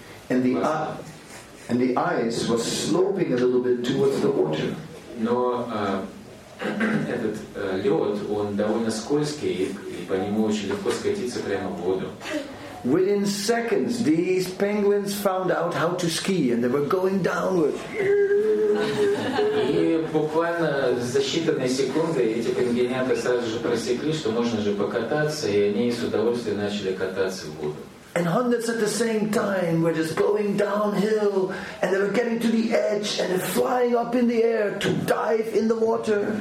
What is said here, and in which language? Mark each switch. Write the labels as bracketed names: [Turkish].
[English] And the ice was sloping a little bit towards the water. [Russian] Но этот лед, он довольно скользкий, и по нему очень легко скатиться прямо в воду. [English] Within seconds, these penguins found out how to ski, and they were going downward. [Russian] И буквально за считанные секунды эти пингвиняты сразу же просекли, что можно же покататься, и они с удовольствием начали кататься в воду. [English] And hundreds at the same time were just going downhill, and they were getting to the edge and flying up in the air to dive in the water.